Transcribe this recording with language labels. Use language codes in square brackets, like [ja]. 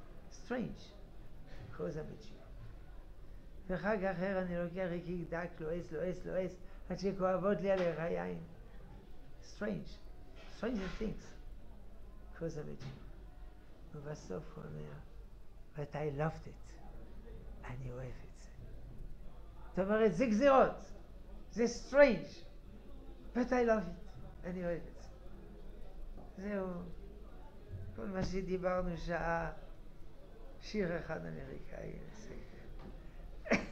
[en] Strange, because I'm a Jew. [he] וחג אחר אני לוקח ריקי דק, לועס, לועס, לועס, עד שכואבות לי על הרעיין. [en] Strange, strange things, because I'm a Jew. [he] ובסוף הוא אומר, [en] but I loved it, [he] אני אוהב את זה. זאת אומרת, זה גזירות, זה strange, [en] but I love it, [he] אני אוהב את זה. זהו, כל מה שדיברנו שעה, שיר אחד אמריקאי, נסק.